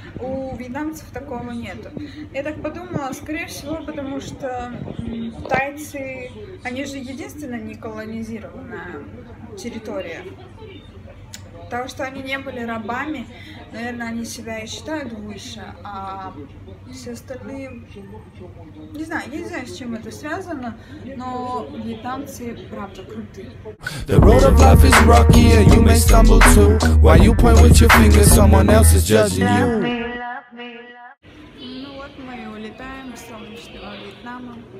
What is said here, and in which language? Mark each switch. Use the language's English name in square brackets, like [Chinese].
[Russian] У вьетнамцев такого нету. Я так подумала, скорее всего, потому что тайцы, они же единственная неколонизированная территория. Потому что они не были рабами, наверное, они себя и считают выше, а все остальные... Не знаю, я не знаю, с чем это связано, но вьетнамцы правда крутые. [English] The road of life is rocky and you may stumble too. While you point with your finger, someone else is judging you. [Russian] Ну вот мы улетаем из солнечного Вьетнама.